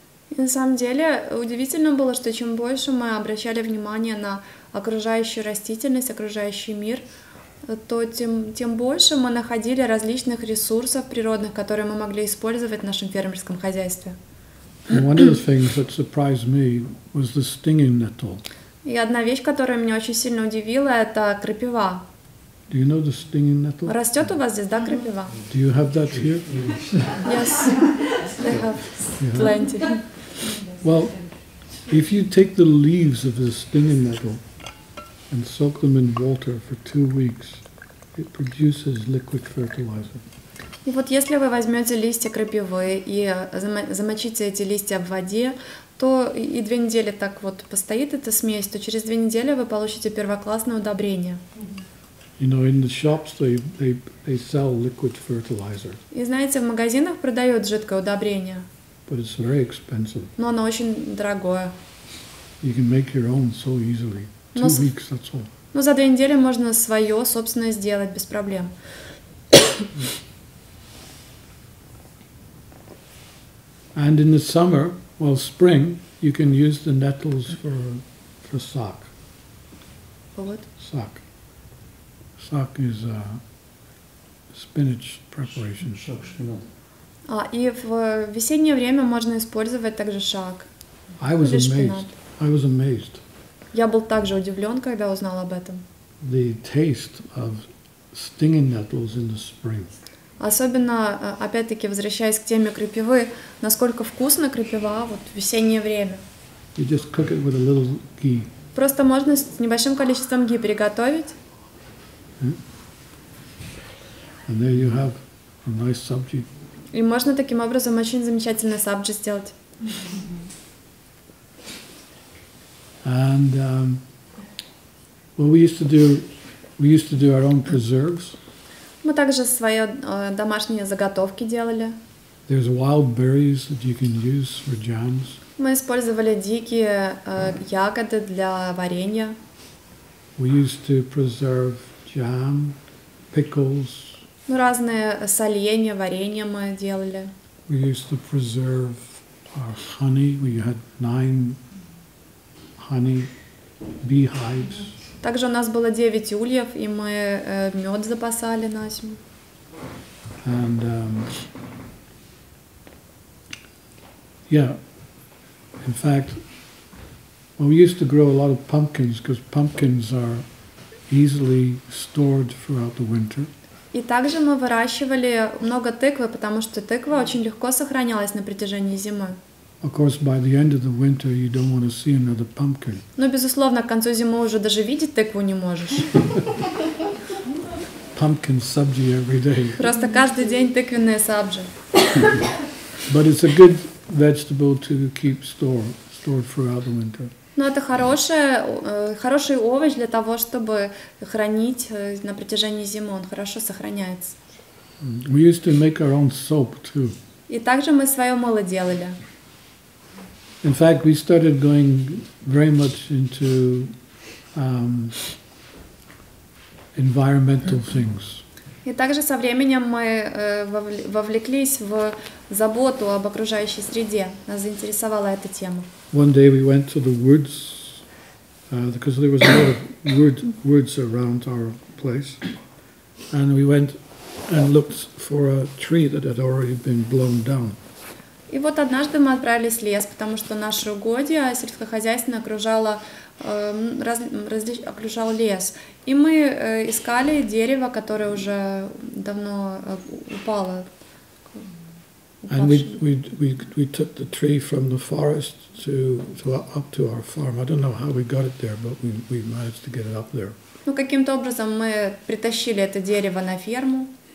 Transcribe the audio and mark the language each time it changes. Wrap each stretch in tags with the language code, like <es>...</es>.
<ru>И на самом деле удивительно было, что чем больше мы обращали внимание на окружающую растительность, окружающий мир, то тем больше мы находили различных ресурсов природных, которые мы могли использовать в нашем фермерском хозяйстве.</ru> <en>One of the things that surprised me was the stinging nettle.</en> <ru>И одна вещь, которая меня очень сильно удивила, это крапива.</ru> <en>Do you know the stinging nettle?</en> <ru>Растет у вас здесь, да, крапива?</ru> <en>Do you have that here? Yes, I have plenty. Well, if you take the leaves of the stinging nettle and soak them in water for 2 weeks, it produces liquid fertilizer.</en> <ru>И вот если вы возьмете листья крапивы и замочите эти листья в воде, то и 2 недели так вот постоит эта смесь, то через 2 недели вы получите первоклассное удобрение.</ru> <en>You know, in the shops they sell liquid fertilizer.</en> <ru>И знаете, в магазинах продают жидкое удобрение.</ru> <en>But it's very expensive.</en> <ru>Но оно очень дорогое.</ru> <en>You can make your own so easily. Two weeks, that's all.</en> <ru>Но за 2 недели можно свое собственное сделать без проблем.</ru> <en>And in the summer, well, spring, you can use the nettles for sock. For what? Sock. Sock is spinach preparation.</en> <ru>А и в весеннее время можно использовать также шаг.</ru> <en>I was amazed.</en> <ru>Я был также удивлен, когда узнал об этом.</ru> <en>The taste of stinging nettles in the spring.</en> <ru>Особенно, опять-таки, возвращаясь к теме крапивы, насколько вкусна крапива вот, в весеннее время.</ru> <en>You just cook it with a little ghee.</en> <ru>Просто можно с небольшим количеством ги приготовить.</ru> <en>And there you have a nice sabji.</en> <ru>И можно таким образом очень замечательный сабджи сделать.</ru> <en>And well, we used to do our own preserves.</en> <ru>Мы также свои домашние заготовки делали.</ru> <en>There's wild berries that you can use for jams.</en> <ru>Мы использовали дикие ягоды для варенья.</ru> <en>We used to preserve jam, pickles.</en> <ru>Ну, разные соленья, варенья мы делали.</ru> <en>We used to preserve our honey. We had 9 honey beehives.</en> <ru>Также у нас было 9 ульев, и мы мед запасали на зиму.</ru> <en>And yeah. In fact, well, we used to grow a lot of pumpkins because pumpkins are easily stored throughout the winter.</en> <ru>И также мы выращивали много тыквы, потому что тыква очень легко сохранялась на протяжении зимы.</ru> <en>Of course, by the end of the winter, you don't want to see another pumpkin.</en> <ru>Но безусловно, к концу зимы уже даже видеть тыкву не можешь.</ru> <en>Pumpkin sabji every day.</en> <ru>Просто каждый день тыквенные сабжи.</ru> <en>But it's a good vegetable to keep stored throughout the winter.</en> <ru>Но это хороший овощ для того, чтобы хранить на протяжении зимы. Он хорошо сохраняется.</ru> <en>We used to make our own soap too.</en> <ru>И также мы свое мыло делали.</ru> <en>In fact, we started going very much into environmental things.</en> <ru>И также со временем мы вовлеклись в заботу об окружающей среде. Нас заинтересовала эта тема.</ru> <en>One day we went to the woods because there was a lot of woods around our place, and we went and looked for a tree that had already been blown down.</en> <ru>И вот однажды мы отправились в лес, потому что наше угодье сельскохозяйственное окружало лес. И мы искали дерево, которое уже давно упало.</ru> <en>And we took the tree from the forest to up to our farm. I don't know how we got it there, but we managed to get it up there.</en> <ru>Ну, каким-то образом мы притащили это дерево на ферму.</ru>